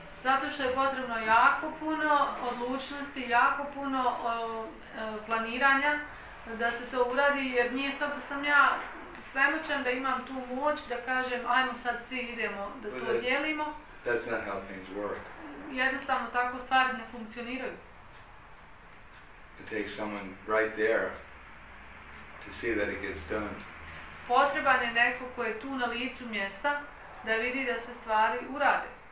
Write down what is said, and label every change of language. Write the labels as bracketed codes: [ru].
[bs] Zato što je potrebno jako puno odlučnosti, jako puno planiranja da se to uradi, jer nije sad da sam ja svemoćan da imam tu moć da kažem ajmo sad svi idemo da to dijelimo. [en] That's not how things work. [bs] Jednostavno tako stvari ne funkcioniraju. [en] It takes someone right there to see that it gets done. [bs] Potreban je neko ko je tu na licu mjesta da vidi da se stvari urade.